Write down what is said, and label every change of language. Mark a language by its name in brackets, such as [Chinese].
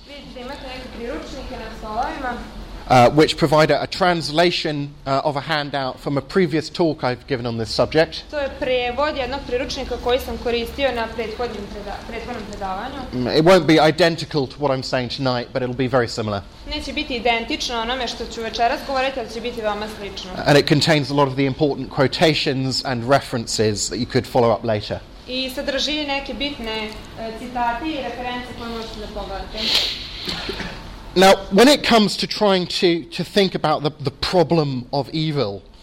[Serbian] Vidite, imate neke priručnike na stolovima. [English] Which provide a translation of a handout from a previous talk I've given on this subject. [Serbian] To je prevod jednog priručnika koji sam koristio na prethodnom predavanju. [English] It won't be identical to what I'm saying tonight, but it'll be very similar. [Serbian] Neće biti identično onome što ću večeras govoriti, ali će biti veoma slično. [English] And it contains a lot of the important quotations and references that you could follow up later. [Serbian] I sadrži neke bitne citate I reference koje možete da pogledate. [English] Now, when it comes to trying to think about the problem of evil,